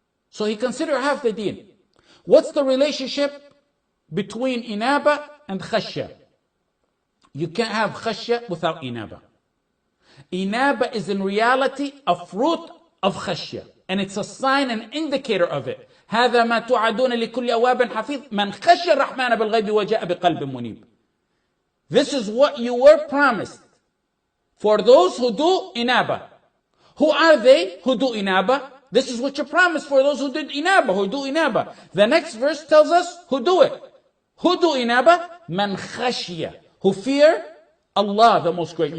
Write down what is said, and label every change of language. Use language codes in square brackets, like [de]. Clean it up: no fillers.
[en] So he considered half the deen. What's the relationship between inaba and khashya? You can't have khashya without inaba. Inaba is in reality a fruit of khashya, and it's a sign and indicator of it. [ar] هذا ما تعدون لكل أواب حفيظ من خشى الرحمن بالغيب وجاء بقلب منيب. [en] This is what you were promised for those who do inaba. Who are they who do inaba? This is what you promised for those who did inaba, who do inaba. The next verse tells us who do it. Who do inaba? [ar] من خشية. [en] Who fear Allah the Most Gracious.